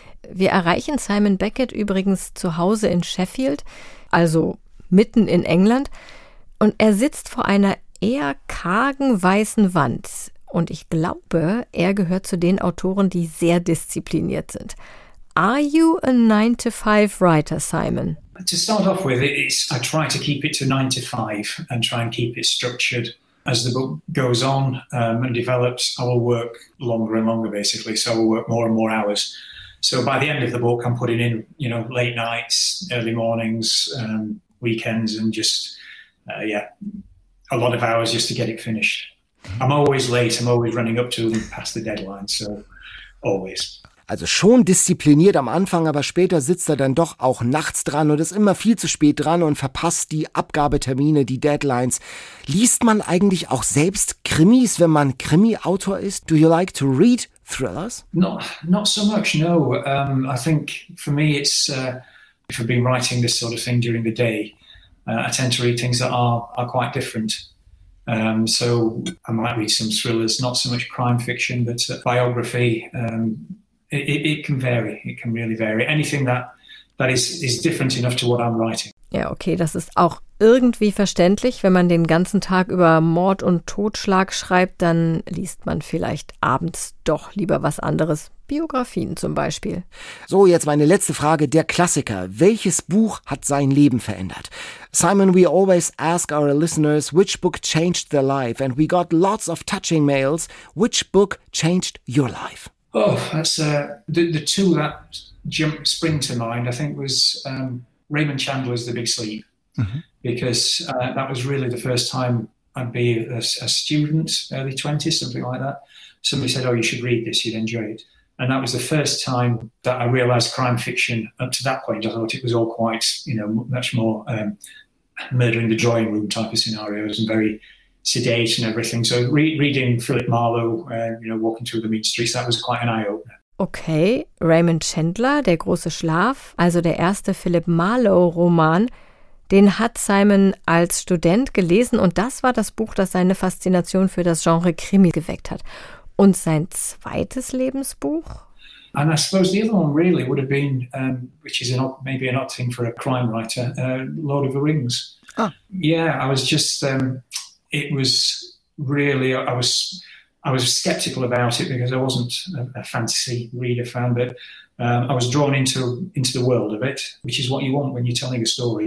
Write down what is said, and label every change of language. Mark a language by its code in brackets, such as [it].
[de] Wir erreichen Simon Beckett übrigens zu Hause in Sheffield, also mitten in England, und er sitzt vor einer eher kargen weißen Wand. Und ich glaube, er gehört zu den Autoren, die sehr diszipliniert sind. [en] Are you a 9-to-5 writer, Simon? To start off with, I try to keep it to 9-to-5 and try and keep it structured. As the book goes on and develops, I will work longer and longer, basically. So I will work more and more hours. So by the end of the book, I'm putting in, you know, late nights, early mornings, weekends, and just, a lot of hours just to get it finished. I'm always late. I'm always running up to and past the deadline. So always. [de] Also schon diszipliniert am Anfang, aber später sitzt er dann doch auch nachts dran und ist immer viel zu spät dran und verpasst die Abgabetermine, die Deadlines. Liest man eigentlich auch selbst Krimis, wenn man Krimi-Autor ist? [en] Do you like to read thrillers? Not so much, no. I think for me it's, if I've been writing this sort of thing during the day, I tend to read things that are quite different. So I might read some thrillers, not so much crime fiction, but biography. It can vary. It can really vary. Anything that is different enough to what I'm writing. [de] Ja, okay, das ist auch irgendwie verständlich. Wenn man den ganzen Tag über Mord und Totschlag schreibt, dann liest man vielleicht abends doch lieber was anderes. Biografien zum Beispiel. So, jetzt meine letzte Frage, der Klassiker. Welches Buch hat sein Leben verändert? [en] Simon, we always ask our listeners, which book changed their life? And we got lots of touching mails. Which book changed your life? Oh, that's the two that spring to mind, I think, was Raymond Chandler's The Big Sleep. Mm-hmm. Because that was really the first time I'd be a student, early 20s, something like that. Somebody said, oh, you should read this, you'd enjoy it. And that was the first time that I realized crime fiction up to that point. I thought it was all quite, you know, much more murder in the drawing room type of scenarios and very sedate and everything. So reading Philip Marlowe, you know, walking through the mean streets, that was quite an eye-opener. [de] Okay, Raymond Chandler, Der große Schlaf, also der erste Philip Marlowe-Roman, den hat Simon als Student gelesen und das war das Buch, das seine Faszination für das Genre Krimi geweckt hat. Und sein zweites Lebensbuch? [en] And I suppose the other one really would have been, which is maybe an odd thing for a crime writer, Lord of the Rings. Ah. Yeah, I was just, it was really, I was skeptical about it because I wasn't a fantasy reader fan, but I was drawn into the world of it, which is what you want when you're telling a story.